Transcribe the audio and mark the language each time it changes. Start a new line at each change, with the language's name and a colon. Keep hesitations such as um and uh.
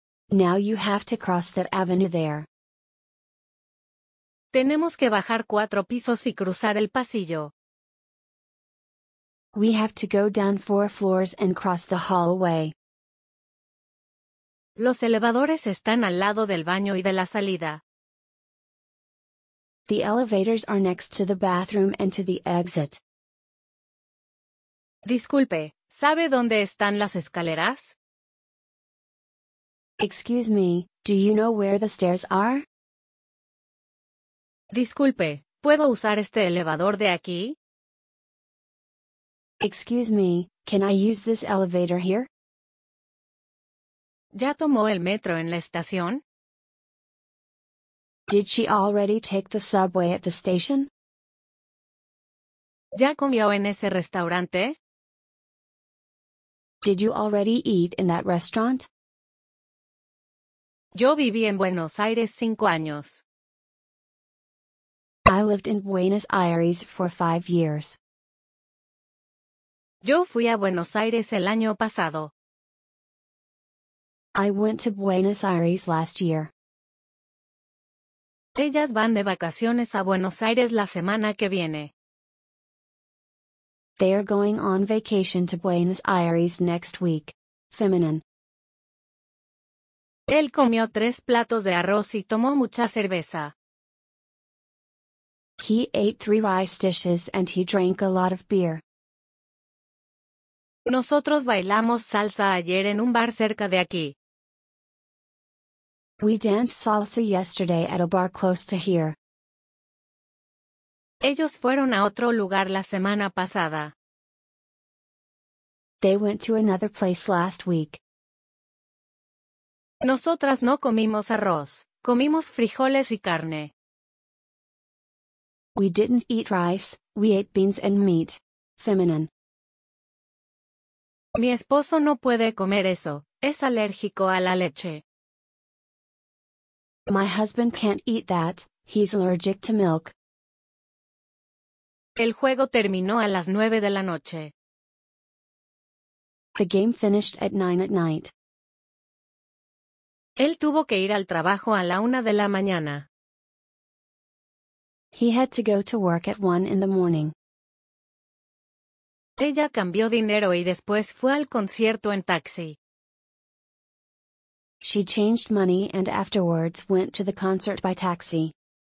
English: Now you have to cross that avenue there.
Spanish: Tenemos que bajar cuatro pisos y cruzar el pasillo.
English: We have to go down four floors and cross the hallway.
Spanish: Los elevadores están al lado del baño y de la salida.
English: The elevators are next to the bathroom and to the exit.
Spanish: Disculpe, ¿sabe dónde están las escaleras?
English: Excuse me, do you know where the stairs are?
Spanish: Disculpe, ¿puedo usar este elevador de aquí?
English: Excuse me, can I use this elevator here?
Spanish: ¿Ya tomó el metro en la estación?
English: Did she already take the subway at the station?
Spanish: ¿Ya comió en ese restaurante?
English: Did you already eat in that restaurant?
Spanish: Yo viví en Buenos Aires cinco años.
English: I lived in Buenos Aires for five years.
Spanish: Yo fui a Buenos Aires el año pasado.
English: I went to Buenos Aires last year.
Spanish: Ellas van de vacaciones a Buenos Aires la semana que viene.
English: They are going on vacation to Buenos Aires next week. Feminine.
Spanish: Él comió tres platos de arroz y tomó mucha cerveza.
English: He ate three rice dishes and he drank a lot of beer.
Spanish: Nosotros bailamos salsa ayer en un bar cerca de aquí.
English: We danced salsa yesterday at a bar close to here.
Spanish: Ellos fueron a otro lugar la semana pasada.
English: They went to another place last week.
Spanish: Nosotras no comimos arroz, comimos frijoles y carne.
English: We didn't eat rice, we ate beans and meat. Feminine.
Spanish: Mi esposo no puede comer eso, es alérgico a la leche.
English: My husband can't eat that, he's allergic to milk.
Spanish: El juego terminó a las nueve de la noche.
English: The game finished at nine at night.
Spanish: Él tuvo que ir al trabajo a la una de la mañana.
English: He had to go to work at one in the morning.
Spanish: Ella cambió dinero y después fue al concierto en taxi.
English: She changed money and afterwards went to the concert by taxi.